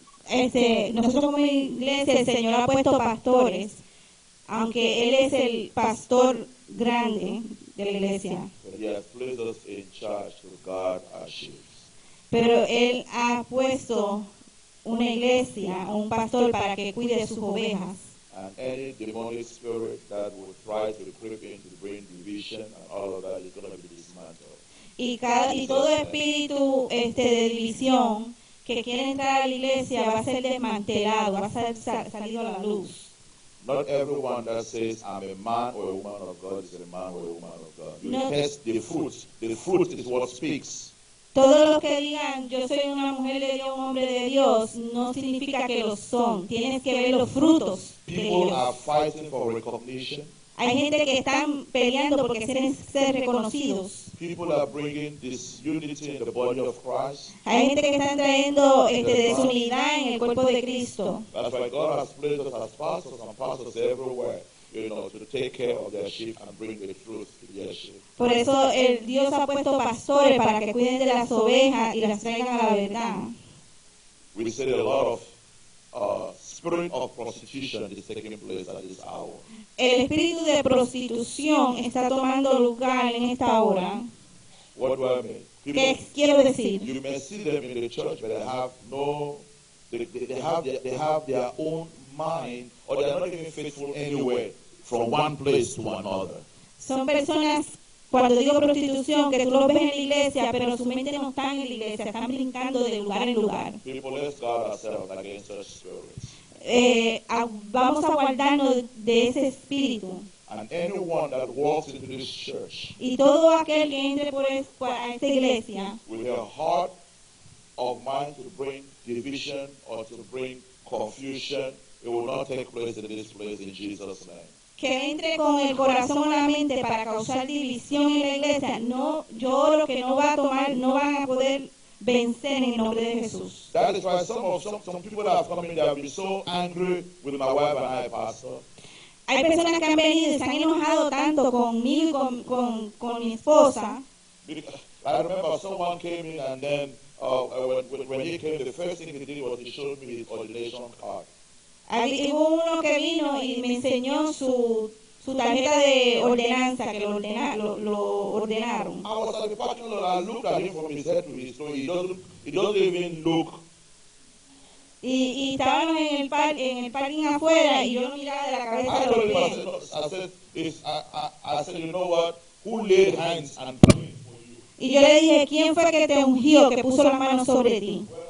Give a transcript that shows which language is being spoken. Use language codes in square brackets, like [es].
[es] Nosotros como iglesia, el Señor ha puesto pastores, aunque él es el pastor grande de la iglesia. [en] But he has placed us in charge to guard our sheep. [es] Pero él ha puesto una iglesia, un pastor para que cuide sus ovejas. [en] And any demonic spirit that will try to creep in to bring division and all of that is going to be dismantled. [es] Y todo espíritu de división que quiere entrar a la iglesia va a ser desmantelado, va a ser salido a la luz. [en] Not everyone that says I'm a man or a woman of God is a man or a woman of God. You test the fruit. The fruit is what speaks. [es] Todos los que digan yo soy una mujer de Dios, un hombre de Dios, no significa que lo son. Tienes que ver los frutos. [en] People are fighting for recognition. [es] Hay gente que están peleando porque quieren ser reconocidos. [en] People are bringing this unity in the body of Christ. [es] Hay gente que están trayendo desunidad en el cuerpo de Cristo. [en] That's why God has placed us as pastors and pastors everywhere, to take care of their sheep and bring the truth to their sheep. [es] Por eso el Dios ha puesto pastores para que cuiden de las ovejas y las traigan a la verdad. [en] We see a lot of spirit of prostitution is taking place at this hour. [es] El espíritu de prostitución está tomando lugar en esta hora. [en] What do I mean? [es] ¿Qué quiero decir? [en] You may see them in the church, but they have their own mind, or they are not even faithful anywhere from one place to another. [es] Son personas Cuando digo prostitución, que tú lo ves en la iglesia, pero su mente no está en la iglesia, están brincando de lugar en lugar. [en] People, let's guard ourselves against such spirits. [es] Vamos a guardarnos de ese espíritu. [en] And anyone that walks into this church, [es] y todo aquel que entre por esta iglesia, [en] with a heart of mind to bring division or to bring confusion, it will not take place in this place in Jesus' name. [es] Que entre con el corazón o la mente para causar división en la iglesia, no, yo lo que no va a tomar, no van a poder vencer en el nombre de Jesús. [en] That is why some people that have come in, they have been so angry with my wife and I, Pastor. [es] Hay personas que han venido y se han enojado tanto conmigo y con mi esposa. [en] I remember someone came in and then when he came, the first thing he did was he showed me his ordination card. [es] Hubo uno que vino y me enseñó su tarjeta de ordenanza, que lo ordenaron. [en] I was at the parking lot, I looked at him from his head to his toe, so he doesn't even look. [es] Y estábamos en el parking afuera y yo no miraba de la cabeza a los pies. [en] I said, you know what, who laid hands and prayed for you? [es] Y yo le dije, ¿quién fue que te ungió, que puso la mano sobre ti?